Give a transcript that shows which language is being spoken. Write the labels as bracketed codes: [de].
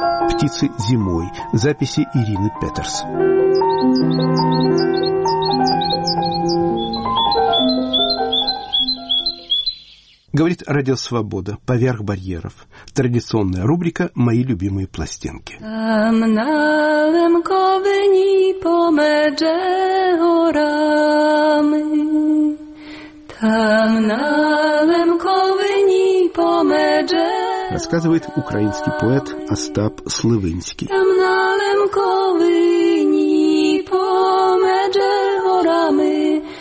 [ru] «Птицы зимой». Записи Ирины Петерс. Говорит радио «Свобода» поверх барьеров. Традиционная рубрика «Мои любимые пластинки». [rue] Там на лемковині по меже горами. Там на лемковині по меже. [ru] Рассказывает украинский поэт Остап Сливинський. [rue] Там на лемковині по меже горами.